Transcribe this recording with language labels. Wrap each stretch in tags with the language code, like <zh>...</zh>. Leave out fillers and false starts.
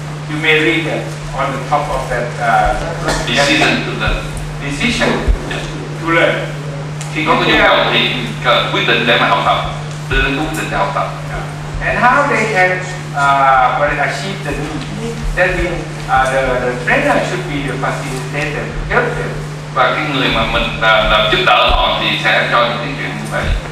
<en>You may read that on the top of that decision to learn. Decision to learn.</en> <vi>Khi có cái nhu cầu thì quyết định để mà học tập, đưa đến quyết định để học tập.</vi> <en>And how they can achieve the need? That means the trainer should be the facilitator to help them.</en> <vi>Và cái người mà mình làm giúp đỡ họ thì sẽ cho những cái chuyện như vậy.</vi>